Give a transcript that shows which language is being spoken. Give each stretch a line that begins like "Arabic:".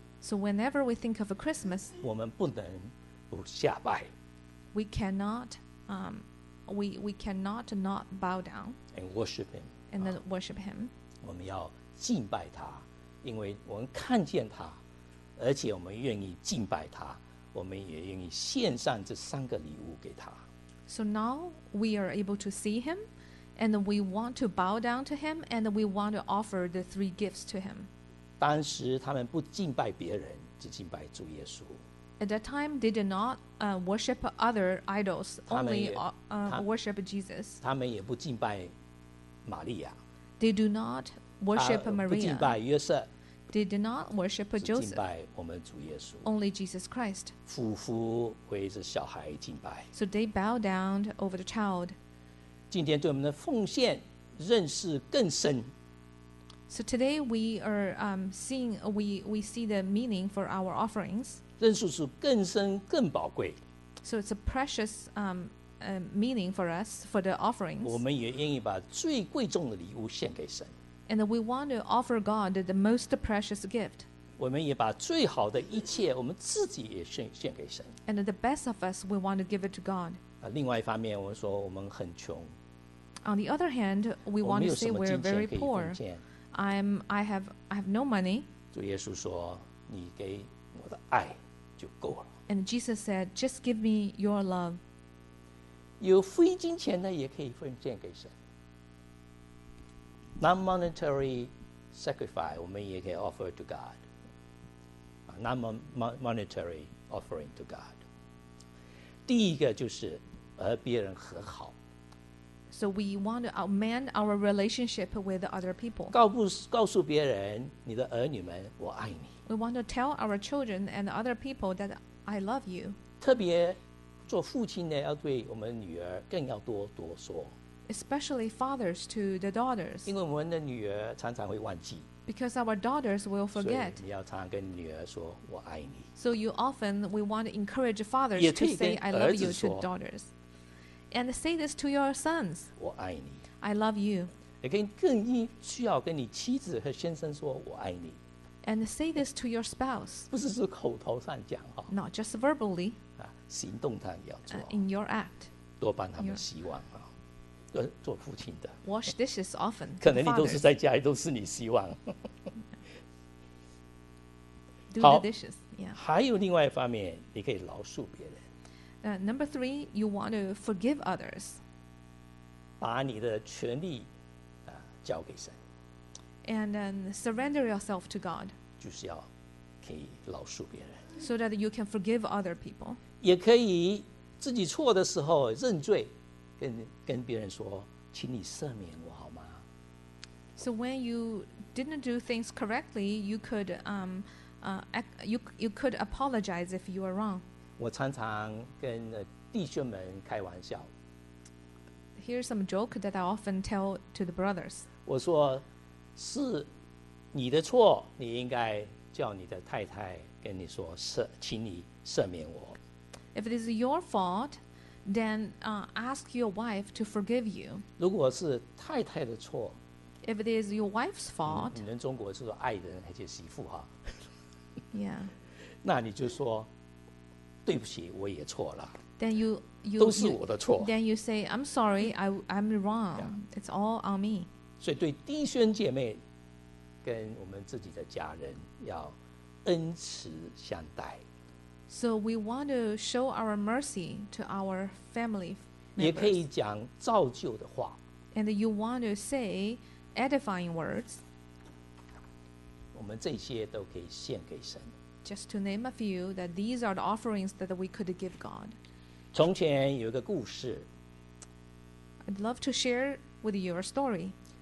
English: ，So whenever we think of Christmas,
Chinese: 我们不能不下拜。
English: We cannot, we cannot not bow down and worship him. And then worship him.
Chinese: 我们要敬拜他，因为我们看见他，而且我们愿意敬拜他，我们也愿意献上这三个礼物给他。
English: So now we are able to see him, and we want to bow down to him, and we want to offer the three gifts to him.
Chinese: 当时他们不敬拜别人，只敬拜主耶稣。
English: At that time, they did not worship other idols, only worship Jesus.
Chinese: 他们也不敬拜玛利亚。
English: They do not worship Maria.
Chinese: 不敬拜约瑟。
English: They did not worship Joseph.
Chinese: 只敬拜我们主耶稣。
English: Only Jesus Christ.
Chinese: 夫妇为着小孩敬拜。
English: So they bow down over the child.
Chinese: 今天对我们的奉献认识更深。
English: So today we are seeing we see the meaning for our offerings.
Chinese: 认识是更深更宝贵。
English: So it's a precious meaning for us for the offerings.
Chinese: 我们也愿意把最贵重的礼物献给神。
English: And we want to offer God the most precious gift.
Chinese: 我们也把最好的一切，我们自己也献给神。
English: And the best of us, we want to give it to God.
Chinese: 另外一方面，我们说我们很穷。
English: On the other hand, we want to say we're very poor. I have no money.
Chinese: 主耶稣说，你给我的爱就够了。
English: And Jesus said, just give me your love.
Chinese: 有非金钱的也可以奉献给神。
English: Non-monetary sacrifice,
Chinese: 我们也可以
English: offer to God. Non-monetary offering to God.
Chinese: 第一个就是和别人和好。
English: So we want to amend our relationship with other people.
Chinese: 告诉别人你的儿女们我爱你。
English: We want to tell our children and other people that I love you.
Chinese: 特别做父亲的要对我们女儿更要多说。
English: Especially fathers to the daughters.
Chinese: 因为我们的女儿常常会忘记。
English: Because our daughters will forget.
Chinese: 所以你要常跟女儿说我爱你。
English: So you often we want to encourage fathers to say I love you to daughters. And say this to your sons.
Chinese: 我爱你。
English: I love you.
Chinese: 也可以更需要跟你妻子和先生说我爱你。
English: And say this to your spouse.
Chinese: 不是说口头上讲哈。
English: Not just verbally.
Chinese: 行动上也要做。
English: In your act.
Chinese: 多帮他们洗碗哈。做父亲的
English: wash dishes often
Chinese: 可能你都是在家里都是你希望
English: do the dishes、yeah.
Chinese: 还有另外一方面你可以饶恕别人
English: number three you want to forgive others
Chinese: 把你的权利、交给神
English: and then surrender yourself to God
Chinese: 就是要可以饶恕别人
English: so that you can forgive other people
Chinese: 也可以自己错的时候认罪跟别人说，请你赦免我好吗
English: ？So when you didn't do things correctly, you could you could apologize if you are wrong.
Chinese: 我常常跟弟兄们开玩笑。
English: Here's some joke that I often tell to the brothers.
Chinese: 我说是你的错，你应该叫你的太太跟你说赦，请你赦免我。
English: If it is your fault, then ask your wife to forgive you.
Chinese: 如果是太太的错
English: ，If it is your wife's fault，
Chinese: 你们中国是说爱人还是媳妇哈、啊、
English: ？Yeah，
Chinese: 那你就说对不起，我也错了。
English: Then you
Chinese: 都是我的错。
English: Then you say I'm sorry, I'm wrong.、Yeah. It's all on me.
Chinese: 所以对弟兄姐妹。跟我们自己的家人要恩慈相待。
English: So we want to show our mercy to our family members.
Chinese: 也可以讲造就的话。
English: And you want to say edifying words.
Chinese: 我们这些都可以献给神。
English: Just to name a few, that these are the offerings that we could give God.
Chinese: 从前有一个故事。
English: I'd love to share with you a story.